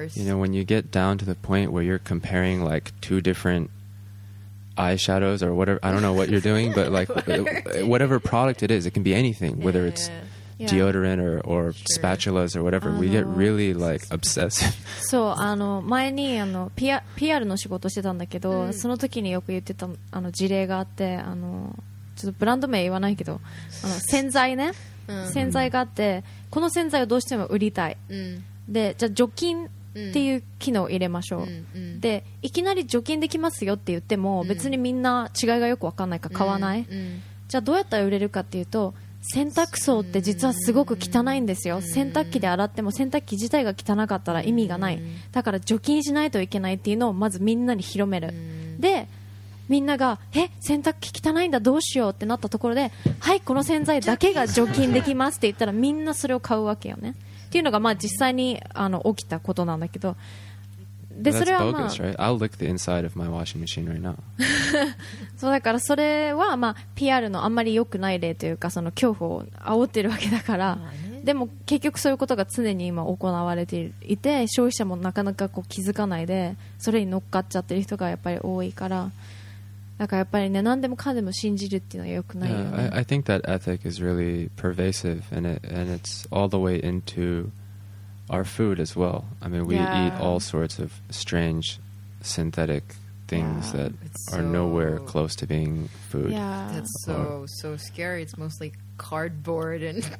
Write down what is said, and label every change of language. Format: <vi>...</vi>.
<en>you know, when you get down to the point where you're comparing like two different eyeshadows or whatever, I don't know what you're doing, but like whatever product it is, it can be anything, whether it's deodorant or spatulas or whatever. We get really like obsessive.</en> <ja>そう、前にPR の仕事してたんだけど、その時によく言ってた事例があって、ちょっとブランド名言わないけど洗剤ね、洗剤があって、この洗剤をどうしても売りたい、でじゃあ除菌っていう機能を入れましょう、でいきなり除菌できますよって言っても、別にみんな違いがよく分かんないから買わない、じゃあどうやったら売れるかっていうと、洗濯槽って実はすごく汚いんですよ、洗濯機で洗っても洗濯機自体が汚かったら意味がない、だから除菌しないといけないっていうのをまずみんなに広める、でみんなが洗濯機汚いんだどうしようってなったところで、はいこの洗剤だけが除菌できますって言ったらみんなそれを買うわけよねっていうのが、まあ実際に起きたことなんだけど、でそれはまあ</ja> <en>That's bogus, right? I'll lick the inside of my washing machine right now.</en> <ja>そうだからそれはまあ PR のあんまり良くない例というか、その恐怖を煽ってるわけだから、でも結局そういうことが常に今行われていて、消費者もなかなかこう気づかないでそれに乗っかっちゃってる人がやっぱり多いから、だからやっぱりね、何でもかんでも信じるっていうのは良くないよね。</ja> <en>I think that ethic is really pervasive, and it's all the way into our food as well. I mean, we eat all sorts of strange synthetic things that are nowhere close to being food. Yeah, that's so scary. It's mostly cardboard and</en>